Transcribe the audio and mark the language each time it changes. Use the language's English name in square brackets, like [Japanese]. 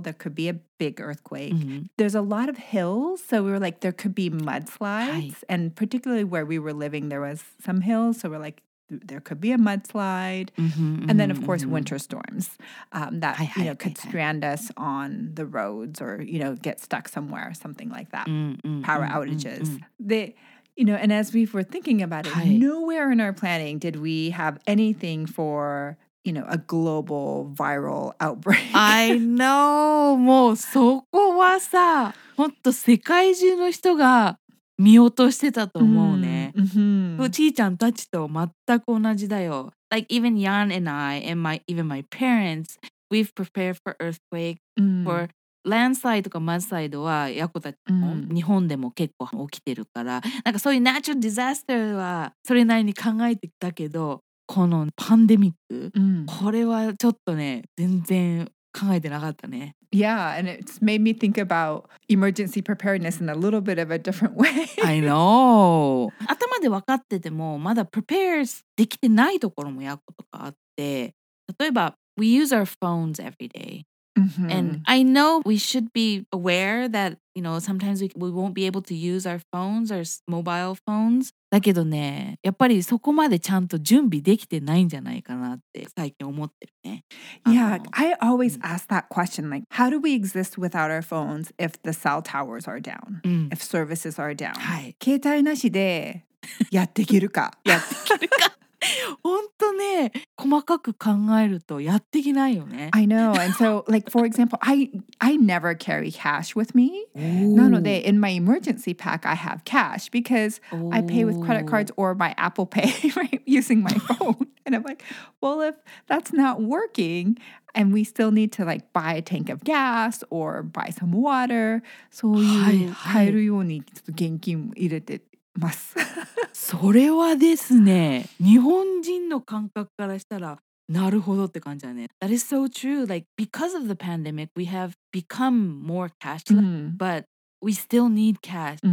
[English] There could be a big earthquake. There's a lot of hills, so we were like, there could be mudslides, and particularly where we were living, there was some hills, so we're like, there could be a mudslide, and then of course winter storms that you know could strand us on the roads or you know get stuck somewhere, something like that. Power outages. The you know, and as we were thinking about it, nowhere in our planning did we have anything for you know a global viral outbreak. I know, [Japanese] もうそこはさ、本当世界中の人が見落としてたと思うね。 [English] Mm-hmm. [Japanese] ちいちゃんたちと全く同じだよ。 [English] Like even Yan and I and even my parents, we've prepared for earthquake, for landslide [Japanese] とか mudslide はやこたちも日本でも結構起きてるから、なんかそういう natural disaster はそれなりに考えてきたけど、このパンデミック、これはちょっとね、全然考えてなかったね。 [English] Yeah, and it's made me think about emergency preparedness in a little bit of a different way. I know. [Japanese] 頭で分かってても、まだ prepare できてないところもやっことかあって、例えば、 [English] we use our phones every day.、 Mm-hmm. And I know we should be aware that, you know, sometimes we won't be able to use our phones, our mobile phones. [Japanese] だけどね、やっぱりそこまでちゃんと準備できてないんじゃないかなって最近思ってるね。 [English] Yeah, I always ask that question, like, how do we exist without our phones if the cell towers are down, if services are down? [Japanese] はい。携帯なしでやっていけるか。やっていけるか。本当ね、細かく考えるとやっていけないよね。 [English] I know. And so, like, for example, I never carry cash with me. [Japanese] なので、 [English] in my emergency pack, I have cash because I pay with credit cards or my Apple Pay, right, using my phone. And I'm like, well, if that's not working, and we still need to, like, buy a tank of gas or buy some water, [Japanese] そういう、はい、入るようにちょっと現金入れてそれはですね、日本人の感覚からしたらなるほどって感じだね。 [English] That is so true. Like, because of the pandemic, we have become more cashless, but we still need cash.